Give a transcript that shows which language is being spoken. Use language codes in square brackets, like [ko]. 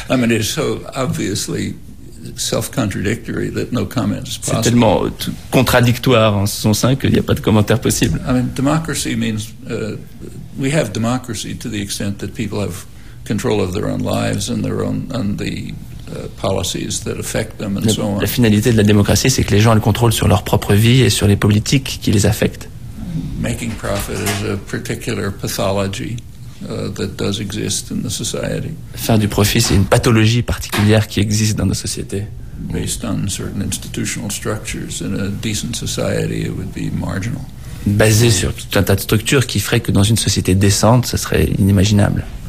[en] it's so obviously self-contradictory that no comment is possible. [fr] C'est tellement contradictoire en son sein qu'il n'y a pas de commentaire possible. [en] Democracy means we have democracy to the extent that people have control of their own lives and their own and the policies that affect them and so on. [fr] La finalité de la démocratie, c'est que les gens aient le contrôle sur leur propre vie et sur les politiques qui les affectent. [en] Making profit is a particular pathology that does exist in the society. [fr] Faire du profit, c'est une pathologie particulière qui existe dans nos sociétés. [en] Based on certain institutional structures, in a decent society, it would be marginal. [fr] Basé sur tout un tas de structures qui ferait que dans une société décente, ça serait inimaginable.